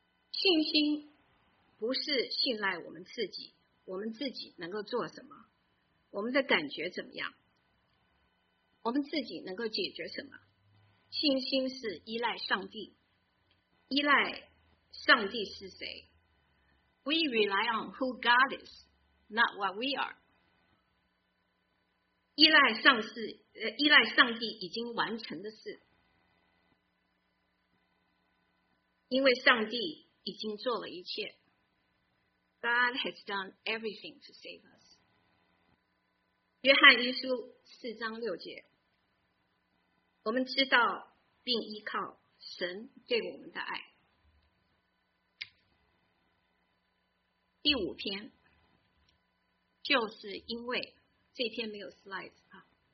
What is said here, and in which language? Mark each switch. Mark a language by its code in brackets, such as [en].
[zh] 信心不是信赖我们自己能够做什么，我们的感觉怎么样，我们自己能够解决什么。信心是依赖上帝，依赖上帝是谁。 [en] We rely on who God is, not what we are. [zh] 依赖上帝已经完成的事，因为上帝已经做了一切。 [en] God has done everything to save us. [zh] 约翰一书四章六节，我们知道并依靠神对我们的爱。第五篇，就是因为这篇没有 slides 啊。